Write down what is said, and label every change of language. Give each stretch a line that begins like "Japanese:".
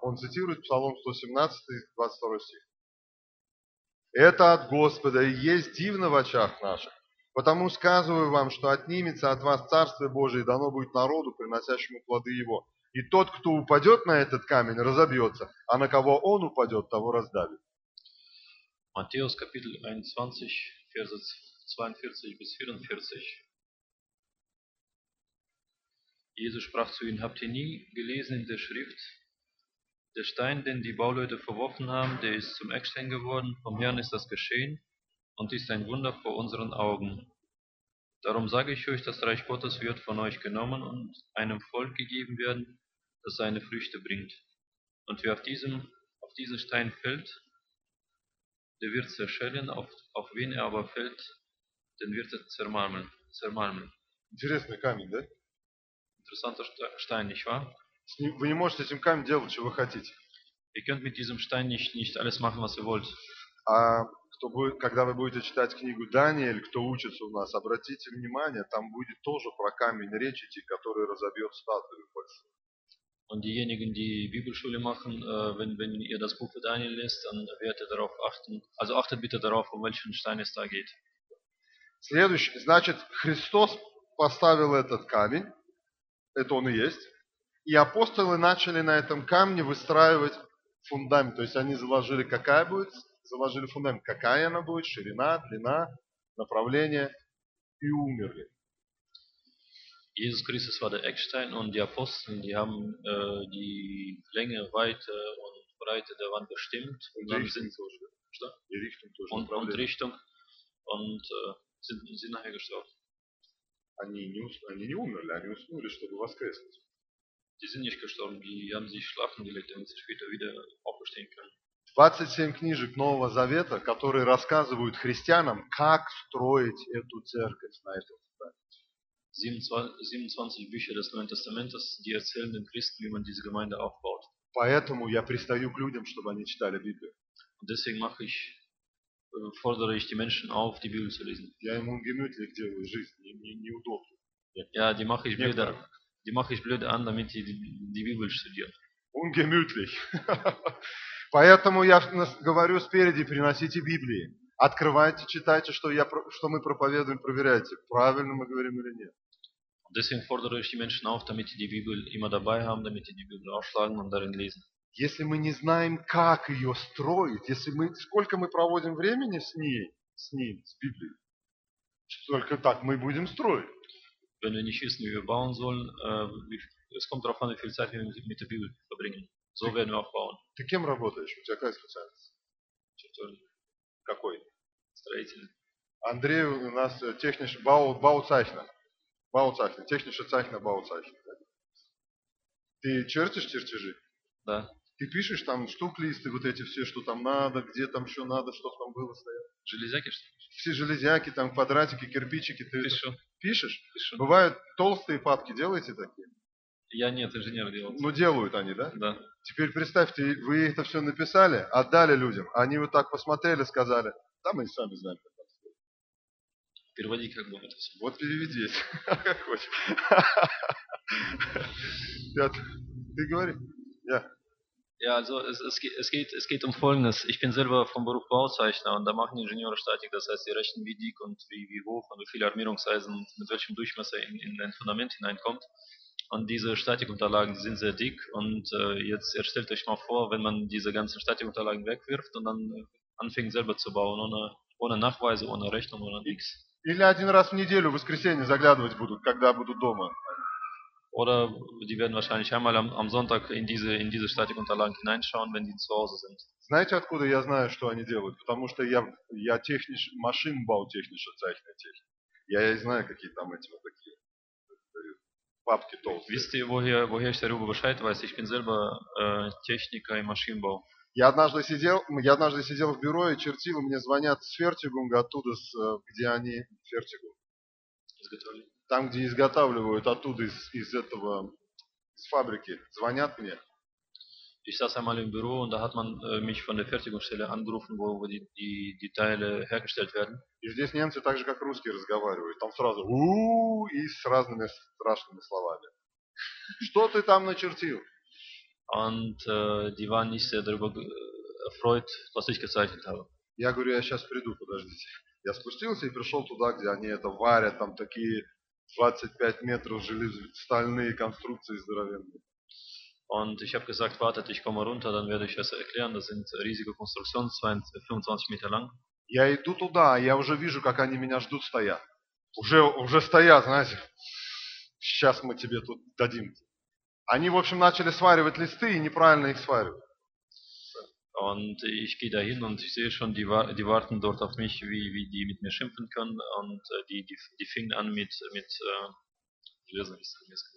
Russian: Он цитирует Псалом 117, 22 стих. Это от Господа и есть дивно в очах наших, потому сказываю вам, что отнимется от вас Царство Божие, и дано будет народу, приносящему плоды его. И тот, кто упадет на этот камень, разобьется, а на кого он упадет, того раздавит.
German: Matthäus Kapitel 21, Verse 42 bis 44. Jesus sprach zu ihnen, habt ihr nie gelesen in der Schrift, der Stein, den die Bauleute verworfen haben, der ist zum Eckstein geworden, vom Herrn ist das geschehen und ist ein Wunder vor unseren Augen. Darum sage ich euch, das Reich Gottes wird von euch genommen und einem Volk gegeben werden, das seine Früchte bringt. Und wer auf diesen Stein fällt, der wird zerschellen, auf wen er aber fällt, den wird er zermalmen.
Russian: Интересный камень, да?
German: Interessanter Stein, nicht wahr?
Russian: Вы не можете этим камнем делать, что вы хотите.
German: Ihr könnt mit diesem Stein nicht alles machen, was ihr wollt.
Russian: А кто будет, когда вы будете читать книгу Даниэль, кто учится у нас, обратите внимание, там будет тоже про камень речь идти, который разобьет статую большую.
German: Und diejenigen, die Bibelschule machen, wenn ihr das Buch für Daniel lest, dann werdet ihr darauf achten. Also achtet bitte darauf, um welchen Stein es da geht.
Russian: Следующий, значит, Христос поставил этот камень, это он и есть, и апостолы начали на этом камне выстраивать фундамент. То есть они заложили, какая будет, заложили фундамент, какая она будет, ширина, длина, направление, и умерли.
German: Jesus Christus war der Eckstein und die Apostel, die haben die Länge, Weite und Breite der Wand bestimmt. Und dann sind so schön. Die Richtung so schön. Und Richtung. Und sind nachher gestorben. Die sind nicht gestorben, die haben sich schlafen gelegt, damit sie später wieder aufstehen können.
Russian: 27 книжек Нового Завета, которые рассказывают христианам, как строить эту церковь на этом.
German: 27 Bücher des Neuen Testamentes, die erzählen den Christen, wie man diese Gemeinde aufbaut.
Russian: Поэтому я пристаю к людям, чтобы они читали Библию.
German: Und deswegen mache ich, fordere ich die Menschen auf, die Bibel zu lesen.
Russian: Я ему гемütlich делаю жизнь, мне неудобно.
German: Ja, die mache ich blöd an, damit die Bibel studieren. Ungemütlich.
Russian: Поэтому я говорю спереди, приносите Библии. Открывайте, читайте, что мы проповедуем, проверяйте, правильно мы говорим или нет.
German: Deswegen fordere ich die Menschen auf, damit sie die Bibel immer dabei haben, damit sie die Bibel aufschlagen und darin lesen.
Russian: Если мы не знаем, как ее строить, если мы сколько мы проводим времени с ней, с Библией, только так мы будем строить.
German: Wenn wir nicht wissen, wie wir bauen sollen, es kommt darauf an, wie viel Zeit wir mit der Bibel verbringen. So werden wir auch bauen.
Russian: Ты кем работаешь? У тебя какая специальность? Какой? Строитель. Андрей у нас технический бауцайхнер. Бауцайхнер. Технический цайхнер бауцайхнер. Ты чертишь чертежи? Да. Ты пишешь там штук-листы, вот эти все, что там надо, где там еще надо, что там было стоять? Железяки, что ли? Все железяки, там квадратики, кирпичики. Ты пишу. Пишешь? Пишу. Бывают толстые папки, делаете такие? Я нет, инженер делал. Ну, делают они, да? Да. Теперь представьте, вы это все написали, отдали людям, они вот так посмотрели, сказали, там они сами знают, как это. Переводи, как бы. Вот переведи, как хочешь. Ты говори. Я.
German: Ja, also es geht um Folgendes. Ich bin selber vom Beruf Bauzeichner und da machen die Ingenieure Statik. Das heißt, sie rechnen, wie dick und wie hoch und wie viele Armierungseisen und mit welchem Durchmesser in ein Fundament hineinkommt. Und diese Statikunterlagen, die sind sehr dick. Und jetzt stellt euch mal vor, wenn man diese ganzen Statikunterlagen wegwirft und dann anfängt selber zu bauen, ohne Nachweise, ohne Rechnung, ohne nichts.
Russian: Или один раз в неделю, в воскресенье заглядывать будут, когда будут дома.
German: Oder die werden wahrscheinlich einmal am Sonntag in diese Statikunterlagen hineinschauen, wenn die zu Hause sind.
Russian: Знаете, откуда я знаю, что они делают? Потому что я технич, машинбау технический цайхнер техник. Я знаю, какие там эти вот такие папки толстые.
German: Wisst ihr, woher ich darüber Bescheid weiß? Ich bin selber Techniker im Maschinenbau.
Russian: Я однажды сидел в бюро и чертил, мне звонят с Фертигунга оттуда, где они Фертигунг. Изготовили. Там, где изготавливают оттуда из фабрики, звонят мне.
German: Ich saß einmal im Büro und da hat man mich von der Fertigungsstelle angerufen, wo die Teile hergestellt werden.
Russian: И здесь немцы так же, как русские, разговаривают. Там сразу и с разными страшными словами. Что ты там начертил?
German: Und die waren nicht sehr darüber erfreut, was ich gezeichnet habe.
Russian: Я говорю, я сейчас приду, подождите. Я спустился и пришел туда, где они это варят, там такие 25 метров железостальные конструкции здоровенные.
German: Und ich habe gesagt, wartet, ich komme runter, dann werde ich es erklären. Das sind riesige Konstruktionen, 25 Meter lang.
Russian: Я иду туда, я уже вижу, как они меня ждут, стоят. Уже стоят, знаете. Сейчас мы тебе тут дадим. Они, в общем, начали сваривать листы и неправильно их сваривают.
German: Und ich gehe dahin und ich sehe schon, die warten dort auf mich, wie die mit mir schimpfen können. Und die fingen an mit
Russian: Железнолистом.